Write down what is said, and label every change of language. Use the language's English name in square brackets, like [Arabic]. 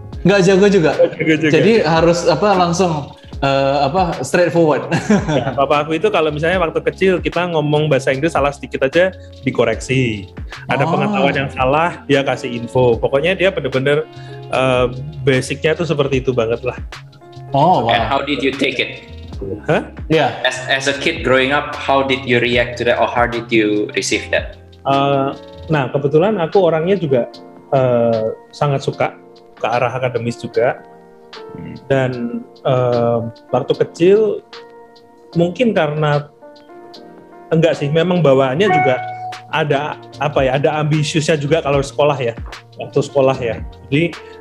[Indonesian] Nggak jago juga. Jadi harus apa langsung straightforward. Papa aku itu kalau misalnya waktu kecil kita ngomong bahasa Inggris salah sedikit aja dikoreksi. Ada pengetahuan yang salah, dia kasih info. Pokoknya dia benar-benar basicnya tuh seperti itu banget lah. [English] Oh, wow. And how did you take it? Huh? Yeah. As a kid growing up, how did you react to that or how did you receive that? [Indonesian] Nah, kebetulan aku orangnya juga sangat suka ke arah akademis juga. Dan waktu kecil mungkin karena enggak sih, memang bawaannya juga ada apa ya, ada ambisiusnya juga kalau sekolah ya, waktu sekolah ya. Jadi